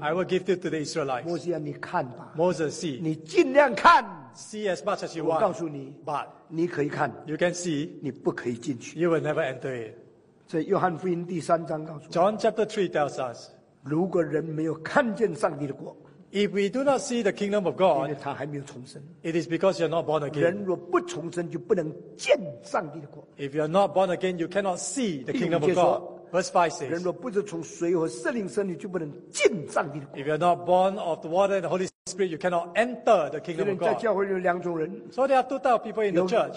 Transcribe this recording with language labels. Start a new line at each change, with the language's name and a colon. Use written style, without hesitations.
English: I will give it to the Israelites.
Chinese: 摩西啊，你看吧。
English: Moses, see.
Chinese: 你尽量看。
English: See as much as you want.
Chinese: 我告诉你
English: ，But
Chinese: 你可以看。
English: You can see.
Chinese: 你不可以进去。
English: You will never enter it.
Chinese: 在约翰福音第三章告诉我
English: John chapter 3 tells us
Chinese: 如果人没有看见上帝的国
English: If we do not see the kingdom of God, it is because you are not born again.
Chinese: 人若不重生，就不能见上帝的国。
English: If you are not born again, you cannot see the kingdom of God. Verse 5 says,
Chinese: 人若不是从水和圣灵生，你就不能进上帝的国。
English: If you are not born of the water and the Holy Spirit, you cannot enter the kingdom of God.
Chinese: 在教会有两种人。
English: So there are two types of people in the church.